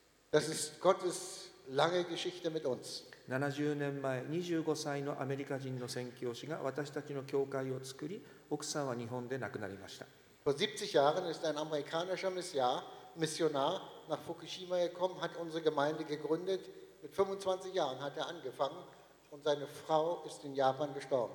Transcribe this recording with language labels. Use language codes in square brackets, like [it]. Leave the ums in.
[de] Das ist Gottes lange Geschichte mit uns. [ja] 70年前、25歳のアメリカ人の宣教師が私たちの教会を作り、奥さんは日本で亡くなりました。 [de] 70 Jahren ist ein amerikanischer Missionar Missionar nach Fukushima gekommen, hat unsere Gemeinde gegründet. Mit 25 Jahren hat er angefangen und seine Frau ist in Japan gestorben.